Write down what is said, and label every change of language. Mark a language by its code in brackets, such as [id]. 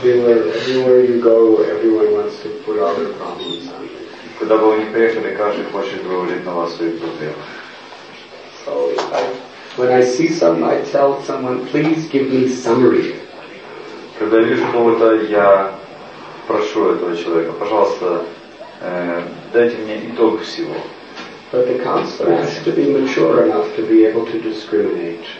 [en] Everywhere you go, everyone wants to put all their problems on. [ru] Когда бы вы ни приехали, каждый хочет говорить на вас свои проблемы. [en] So when I see someone, I tell someone, please give me summary. [ru] Когда я вижу кого-то, я прошу этого человека, пожалуйста, дайте мне итог всего. [en] But the counselor has to be mature enough to be able to discriminate.